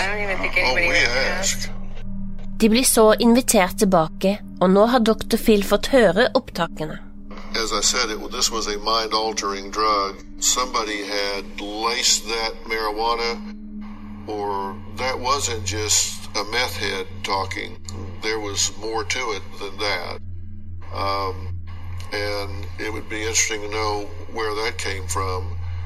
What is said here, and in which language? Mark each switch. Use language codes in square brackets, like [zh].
[en] I don't even think anybody asked. [no] De blir så invitert tilbake, og nå har Dr. Phil fått høre opptakene. [en] As I said, this was a mind-altering drug. Somebody had laced that marijuana, or that wasn't just a meth head talking. There was more to it than that. And it would be interesting to know where that came from.